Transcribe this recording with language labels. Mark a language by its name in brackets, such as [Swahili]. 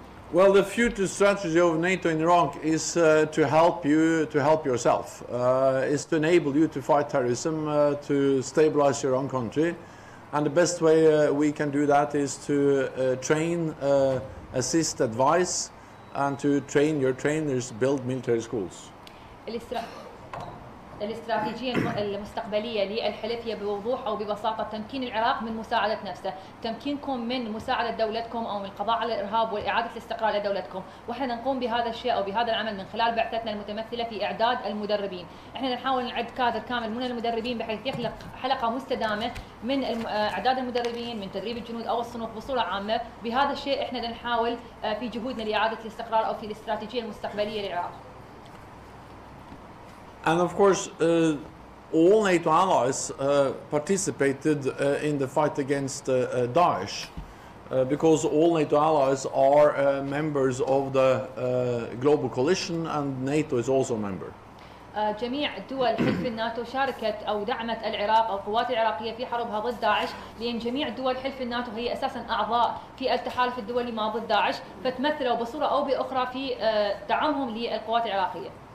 [English] Well, the future strategy of NATO in Iraq is to help you, to help yourself, is to enable you to fight terrorism, to stabilize your own country. And the best way we can do that is to train, assist, advise, and to train your trainers, build military schools. [Arabic] الاستراتيجية المستقبلية للحلف هي بوضوح أو ببساطة تمكين العراق من مساعدة نفسه، تمكينكم من مساعدة دولتكم أو من القضاء على الإرهاب وإعادة الاستقرار لدولتكم، واحنا نقوم بهذا الشيء أو بهذا العمل من خلال بعثتنا المتمثلة في إعداد المدربين، احنا نحاول نعد كادر كامل من المدربين بحيث يخلق حلقة مستدامة من إعداد المدربين من تدريب الجنود أو الصنوف بصورة عامة، بهذا الشيء احنا نحاول في جهودنا لإعادة الاستقرار أو في الاستراتيجية المستقبلية للعراق. [English] And of course, all NATO allies participated in the fight against Daesh because all NATO allies are members of the global coalition and NATO is also a member. [Arabic] جميع الدول حلف الناتو شاركت او دعمت العراق او القوات العراقيه في حربها ضد داعش لان جميع الدول حلف الناتو هي اساسا اعضاء في التحالف الدولي مع ضد داعش فتمثلوا بصوره او باخرى في دعمهم للقوات العراقيه.